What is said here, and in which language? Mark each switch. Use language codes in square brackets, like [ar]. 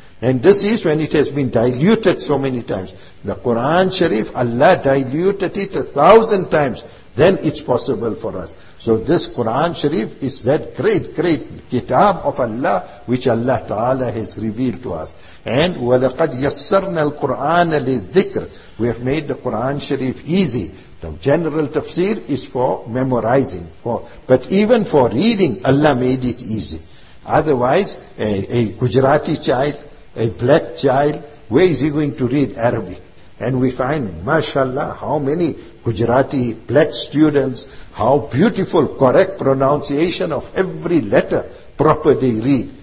[en] And this is when it has been diluted so many times. The Quran Sharif, Allah diluted it 1,000 times. Then it's possible for us. So this Quran Sharif is that great, great kitab of Allah, which Allah Ta'ala has revealed to us. [ar] And وَلَقَدْ يَسَّرْنَا الْقُرْآنَ لِلذِّكْرِ. [en] We have made the Quran Sharif easy. The general tafsir is for memorizing. But even for reading, Allah made it easy. Otherwise, a Gujarati child, a black child, where is he going to read Arabic? And we find, mashallah, how many Gujarati black students, how beautiful, correct pronunciation of every letter, proper they read.